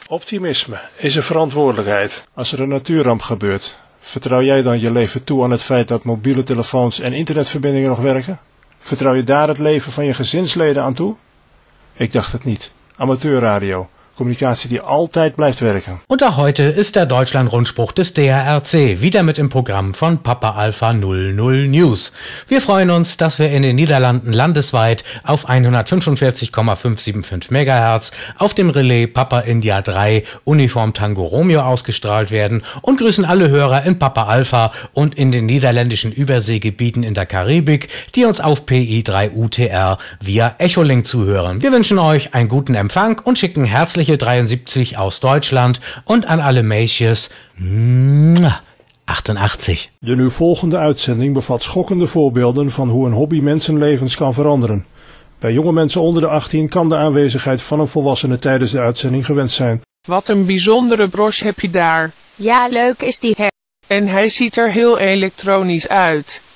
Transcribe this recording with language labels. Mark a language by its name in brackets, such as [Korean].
[Dutch] Optimisme is een verantwoordelijkheid. Als er een natuurramp gebeurt, vertrouw jij dan je leven toe aan het feit dat mobiele telefoons en internetverbindingen nog werken? Vertrouw je daar het leven van je gezinsleden aan toe? Ik dacht het niet. Amateurradio. Communicatie die altijd blijft werken. [German] Und auch heute ist der Deutschlandrundspruch des DRRC wieder mit im Programm von Papa Alpha 00 News. Wir freuen uns, dass wir in den Niederlanden landesweit auf 145,575 MHz auf dem Relais Papa India 3 Uniform Tango Romeo ausgestrahlt werden und grüßen alle Hörer in Papa Alpha und in den niederländischen Überseegebieten in der Karibik, die uns auf PI3UTR via Echolink zuhören. Wir wünschen euch einen guten Empfang und schicken herzliche 73 aus Deutschland und an alle Mädchen 88. [Dutch] De nu volgende uitzending bevat schokkende voorbeelden van hoe een hobby mensenlevens kan veranderen. Bij jonge mensen onder de 18 kan de aanwezigheid van een volwassene tijdens de uitzending gewenst zijn. Wat een bijzondere broche heb je daar. Ja, leuk is die her. En hij ziet er heel elektronisch uit.